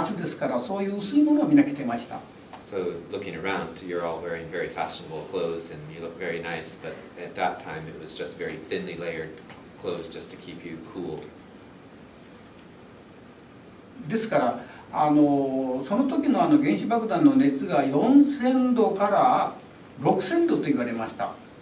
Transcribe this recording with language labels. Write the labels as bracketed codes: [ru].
[ja] まあ今皆さんがこう着ておられるのはこのファッション的に非常に綺麗ですけども、その頃そういうふうな薄い夏ですから、そういう薄いものをみんな着てました。 [en] So looking around, you're all wearing very fashionable clothes and you look very nice, but at that time it was just very thinly layered clothes just to keep you cool. [ja] ですから、その時の原子爆弾の熱が 4000 度から6000度と言われました。